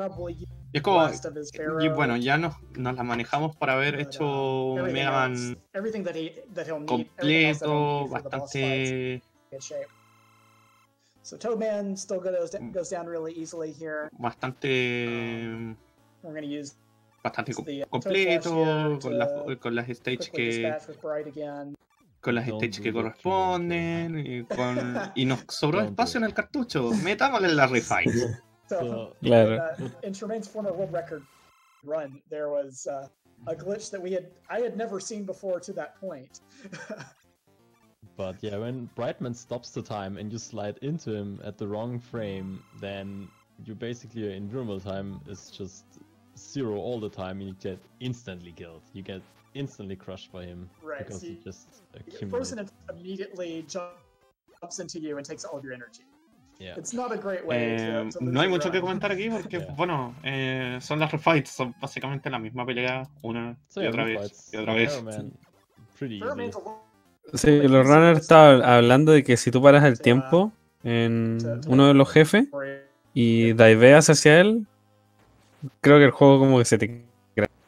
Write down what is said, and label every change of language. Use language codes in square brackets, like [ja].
[es] Y es como, y bueno, ya nos las manejamos por haber hecho Mega Man completo, bastante. [en] So Toadman still goes down really easily here. [es] Bastante. [en] We're gonna use [es] bastante completo con las stages que. Con las stages que corresponden y nos sobró espacio en el cartucho. Metámosle en la refight. So, claro. [en] In Tremaine's former world record run, there was a glitch that I had never seen before to that point. But yeah, when Brightman stops the time and you slide into him at the wrong frame, then you basically your invulnerable time is just zero all the time, and you get instantly killed. You get instantly crushed by him, right? Because so he just accumulates. Frozen immediately jumps into you and takes all your energy. Yeah, it's not a great way. [es] No hay mucho que comentar aquí porque yeah. Bueno, son las refights, son básicamente la misma pelea una y otra vez. [en] Pretty easy. [es] Sí, los runners estaban hablando de que si tú paras el tiempo en uno de los jefes y diveas hacia él, creo que el juego como que se te crea.